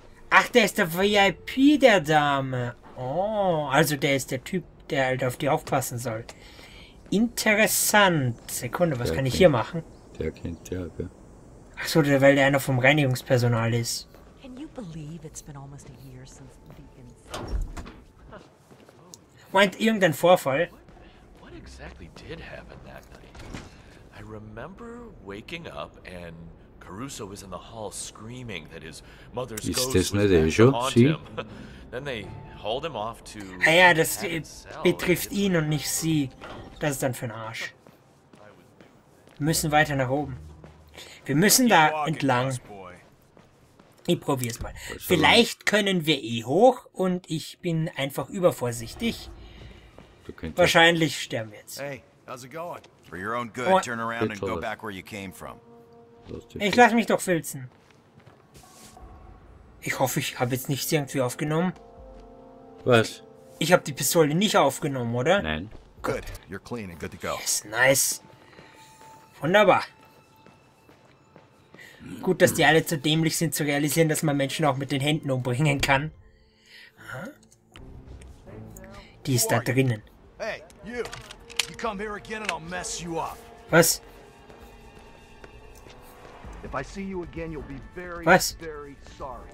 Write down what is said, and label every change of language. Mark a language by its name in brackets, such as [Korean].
[German] Ach, der ist der VIP der Dame. Oh, also der ist der Typ, der halt auf die aufpassen soll. Interessant. Sekunde, was kann ich hier machen? Der kennt ja, gell? Achso, weil der einer vom Reinigungspersonal ist. [English] Can you believe it's been almost a year since the incident? [German] Meint irgendein Vorfall? [English] What exactly did happen that night? I remember waking up and Caruso was in the hall screaming that his mother's ghost was back to haunt him. Then they hauled him off to... [German] Ah ja, das betrifft ihn und nicht sie. Das ist dann für ein Arsch. Wir müssen weiter nach oben. Wir müssen da entlang. Ich probier's mal. Vielleicht können wir eh hoch und ich bin einfach übervorsichtig. Wahrscheinlich sterben wir jetzt. [English] Hey, how's it going? For your own good, turn around and go back where you came from. [German] Ich lass mich doch filzen. Ich hoffe, ich habe jetzt nichts irgendwie aufgenommen. Was? Ich habe die Pistole nicht aufgenommen, oder? Nein. [English] Good, you're clean and good to go. Yes, nice. [German] Wunderbar. Gut, dass die alle zu dämlich sind, zu realisieren, dass man Menschen auch mit den Händen umbringen kann. Die ist da drinnen. [English] Hey, you come here again and I'll mess you up. [German] Was? [English] If I see you again, you'll be very, very sorry.